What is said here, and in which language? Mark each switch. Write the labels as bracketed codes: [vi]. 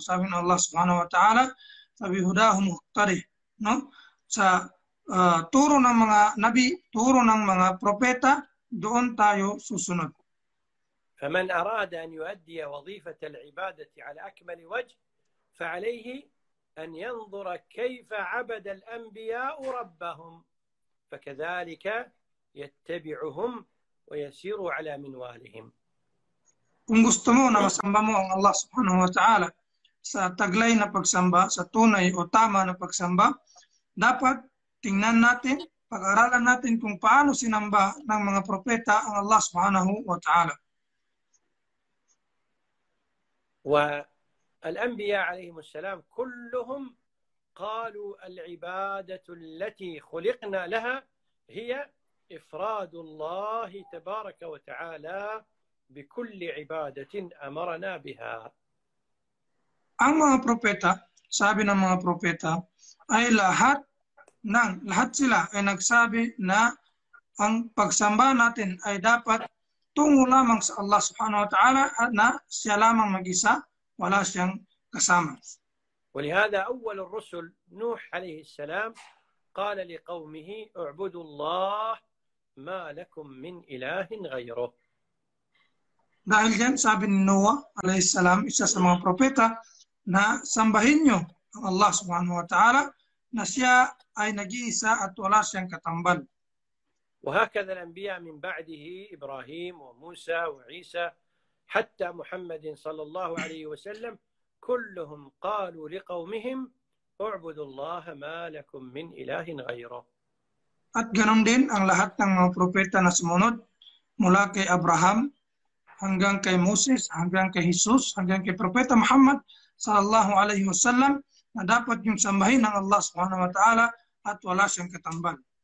[tl] Sabi ng Allah subhanahu wa ta'ala, [ar] فبهداهم اقتده, [tl] no? Sa turo ng mga nabi, turo ng mga propeta, doon tayo susunod. [ar] فمن أراد أن يؤدي وظيفة العبادة على أكمل وجه فعليه أن ينظر كيف عبد الأنبياء ربهم، فكذلك يتبعهم ويسير على منوالهم. [tl] Kung gusto mo na masamba mo ang Allah subhanahu wa ta'ala sa taglay na pagsamba, sa tunay o tama na pagsamba, dapat tingnan natin, pag-aralan natin kung paano sinamba ng mga propeta ang Allah subhanahu wa ta'ala. [ar] والأنبياء عليهم السلام كلهم قالوا العبادة التي خلقنا لها هي إفراد الله تبارك وتعالى بكل عبادة أمرنا بها. [tl] Ang mga propeta, sabi ng mga propeta, ay lahat sila ay nagsabi na ang pagsamba natin ay dapat tungo lamang sa Allah subhanahu wa ta'ala at na siya lamang mag-isa, wala siyang kasama. [ar] ولهذا أول الرسل نوح عليه السلام قال لقومه اعبدوا الله ما لكم من إله غيره. [tl] Dahil dyan, sabi ni Noah alayhis salam, isa sa mga propeta, na sambahin niyo ang Allah subhanahu wa ta'ala na siya ay nag-iisa at wala siyang katambal. [ar] وهكذا الأنبياء من بعده إبراهيم وموسى وعيسى حتى محمد صلى الله عليه وسلم كلهم قالوا لقومهم اعبدوا الله ما لكم من إله غيره. [tl] At ganun din ang lahat ng mga propeta na sumunod mula kay Abraham hanggang kay Moses, hanggang kay Jesus, hanggang kay Propeta Muhammad sallallahu alaihi wasallam na dapat yung sambahin ng Allah subhanahu wa ta'ala at wala siyang katambal.